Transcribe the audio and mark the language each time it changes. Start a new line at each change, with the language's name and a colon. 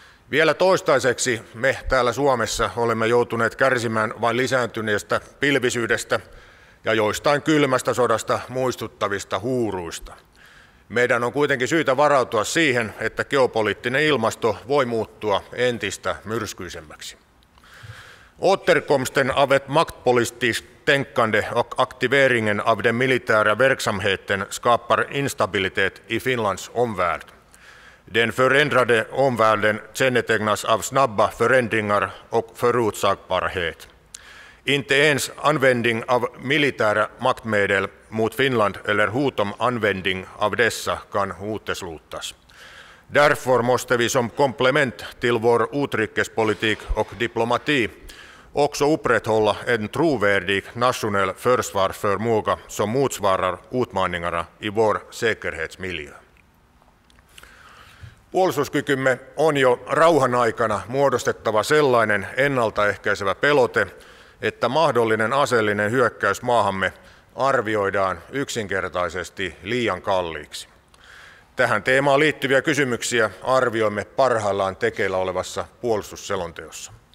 Finnish: Vielä toistaiseksi me täällä Suomessa olemme joutuneet kärsimään vain lisääntyneestä pilvisyydestä ja joistain kylmästä sodasta muistuttavista huuruista. Meidän on kuitenkin syytä varautua siihen, että geopoliittinen ilmasto voi muuttua entistä myrskyisemmäksi.
Swedish: Återkomsten av ett maktpolitiskt tänkande och aktiveringen av den militära verksamheten skapar instabilitet i Finlands omvärld. Den förändrade omvärlden kännetecknas av snabba förändringar och förutsägbarhet. Inte ens användning av militära maktmedel mot Finland eller hot om användning av dessa kan uteslutas. Därför måste vi som komplement till vår utrikespolitik och diplomati också upprätthålla en trovärdig nationell försvarsförmåga som motsvarar utmaningarna i vår säkerhetsmiljö.
Finnish: Puolustuskykymme on jo rauhan aikana muodostettava sellainen ennaltaehkäisevä pelote, että mahdollinen aseellinen hyökkäys maahamme arvioidaan yksinkertaisesti liian kalliiksi. Tähän teemaan liittyviä kysymyksiä arvioimme parhaillaan tekeillä olevassa puolustusselonteossa.